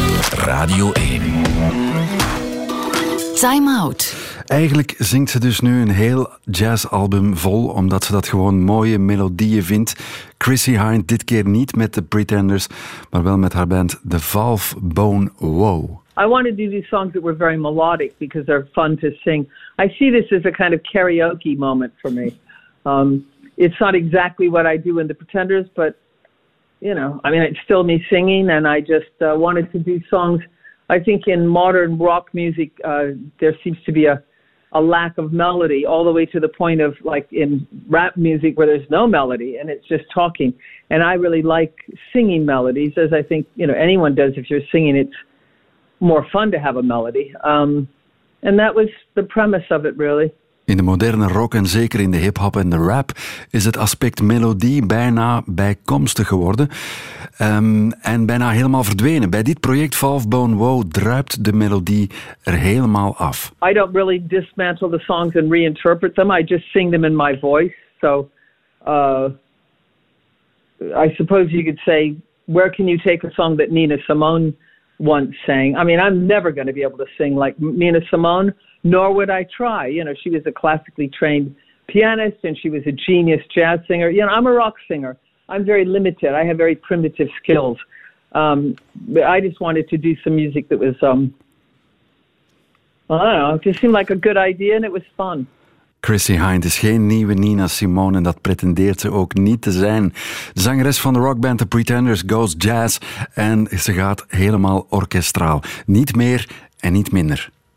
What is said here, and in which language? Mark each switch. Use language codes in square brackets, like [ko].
[nl] Radio 1. [en] Time out. [nl] Eigenlijk zingt ze dus nu een heel jazzalbum vol, omdat ze dat gewoon mooie melodieën vindt. Chrissy Hynde, dit keer niet met The Pretenders, maar wel met haar band The Valve Bone Woe. [en] I want to do these songs that were very melodic, because they're fun to sing. I see this as a kind of karaoke moment for me. It's not exactly what I do in The Pretenders, but, you know, I mean, it's still me singing, and I just wanted to do songs. I think in modern rock music, there seems to be a lack of melody all the way to the point of like in rap music where there's no melody and it's just talking. And I really like singing melodies, as I think, you know, anyone does. If you're singing, it's more fun to have a melody. And that was the premise of it, really. [nl] In de moderne rock en zeker in de hip-hop en de rap is het aspect melodie bijna bijkomstig geworden en bijna helemaal verdwenen. Bij dit project Valve Bone Woe druipt de melodie er helemaal af. [en] I don't really dismantle the songs and reinterpret them. I just sing them in my voice. So I suppose you could say, where can you take a song that Nina Simone once sang? I mean, I'm never going to be able to sing like Nina Simone. Nor would I try. You know, she was a classically trained pianist and she was a genius jazz singer. You know, I'm a rock singer. I'm very limited. I have very primitive skills. But I just wanted to do some music that was, well, I don't know, it just seemed like a good idea and it was fun. [nl] Chrissy Hynde is geen nieuwe Nina Simone en dat pretendeert ze ook niet te zijn. Zangeres van de rockband The Pretenders [en] goes jazz [nl] en ze gaat helemaal orkestraal. Niet meer en niet minder.